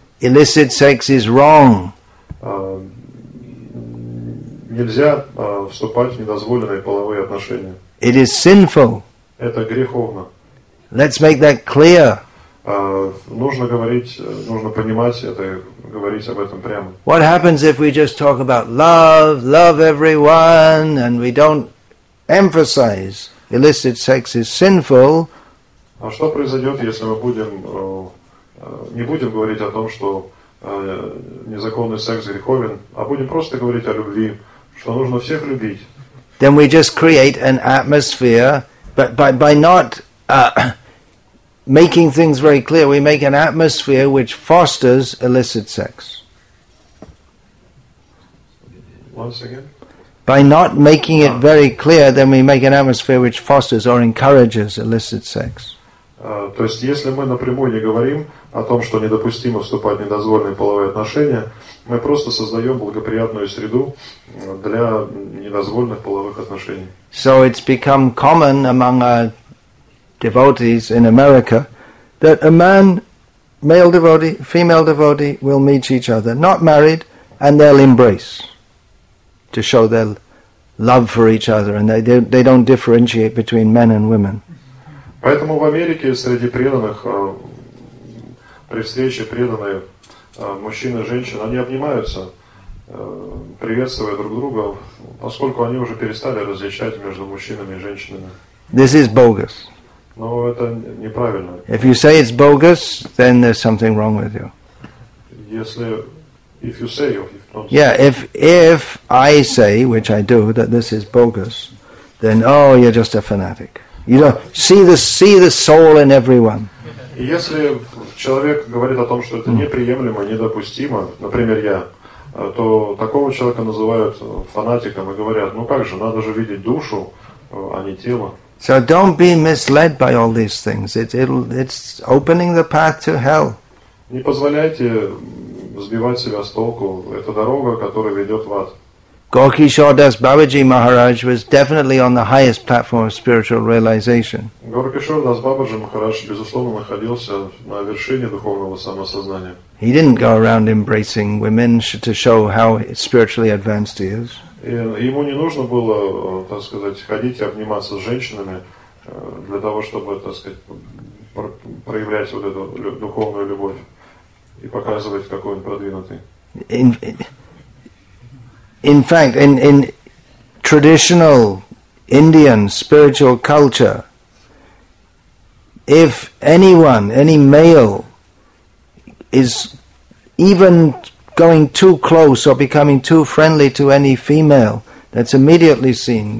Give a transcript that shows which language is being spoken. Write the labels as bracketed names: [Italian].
[English] Illicit sex is wrong. [Russian] Нельзя вступать в недозволенные половые отношения. [English] It is sinful. [Russian] Это греховно. [English] Let's make that clear. [Russian] Нужно говорить, нужно понимать это, говорить об этом прямо. [English] What happens if we just talk about love, love everyone, and we don't emphasize illicit sex is sinful? [Russian] А что произойдет, если мы будем не будем говорить о том, что незаконный секс греховен, а будем просто говорить о любви, что нужно всех любить. [English] Then we just create an atmosphere, but by not making things very clear, we make an atmosphere which fosters illicit sex. Once again. By not making it very clear, then we make an atmosphere which fosters or encourages illicit sex. [Russian] То есть, если мы напрямую не говорим о том, что недопустимо вступать в недозволенные половые отношения, мы просто создаем благоприятную среду для недозволенных половых отношений. [English] So it's become common among our devotees in America that a man, male devotee, female devotee will meet each other, not married, and they'll embrace to show their love for each other, and they don't differentiate between men and women. [Russian] Поэтому в Америке среди преданных при встрече преданные мужчины и женщины, они обнимаются, приветствуя друг друга, поскольку они уже перестали различать между мужчинами и женщинами. [English] This is bogus. [Russian] Но это неправильно. [English] If you say it's bogus, then there's something wrong with you. [Russian] Если [English] if you say, if don't say. Yeah, if I say, which I do, that this is bogus, then oh, you're just a fanatic. You know, see the soul in everyone. [Russian] Если человек говорит о том, что это неприемлемо, недопустимо, например, я, то такого человека называют фанатиком и говорят: ну как же, надо же видеть душу, а не тело. [English] So don't be misled by all these things. It's opening the path to hell. [Russian] Не позволяйте сбивать себя с толку. Это дорога, которая ведет в ад. [English] Gorky Shordas Babaji Maharaj was definitely on the highest platform of spiritual realization. [Russian] Gorky Shordas Babaji Maharaj, безусловно, находился на вершине духовного самосознания. [English] He didn't go around embracing women to show how spiritually advanced he is. [Russian] Ему не нужно было, так сказать, ходить и обниматься с женщинами для того, чтобы, так сказать, проявлять вот эту духовную любовь и показывать, какой он продвинутый. [English] In fact, in traditional Indian spiritual culture, if anyone, any male, is even going too close or becoming too friendly to any female, that's immediately seen.